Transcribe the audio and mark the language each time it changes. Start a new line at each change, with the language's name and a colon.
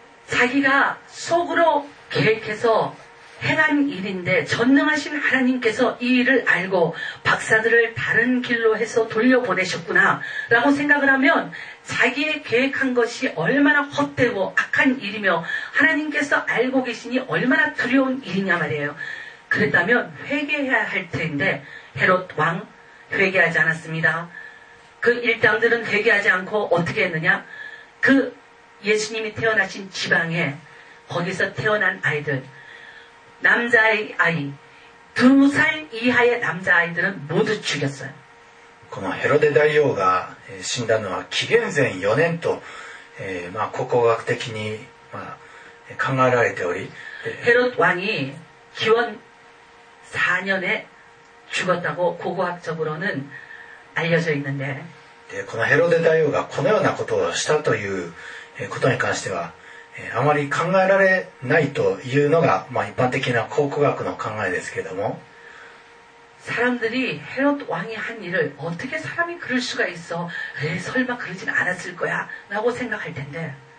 Korean: 자기가속으로계획해서행한일인데전능하신하나님께서이일을알고박사들을다른길로해서돌려보내셨구나라고생각을하면자기의계획한것이얼마나헛되고악한일이며하나님께서알고계시니얼마나두려운일이냐말이에요그랬다면회개해야할텐데헤롯왕회개하지않았습니다그일당들은회개하지않고어떻게했느냐그예수님이태어나신지방에거기서태어난아이들남자의아이두살이하의남자아이들은모두죽였어요
Japanese: このヘロデ大王が死んだのは紀元前4年と、まあ、考古学的に、まあ、考えられており
Korean: 헤롯왕이기원4년에죽었다고고고학적으로는알려져있는데
Japanese: でこのヘロデ大王がこのようなことをしたということに関してはあまり考えられないというのが、まあ、一般的な考古学の考えですけれども
Korean: 사람들이헤롯왕이한일을어떻게사람이그럴수가있어에설마그러진않았을거야라고생각할텐데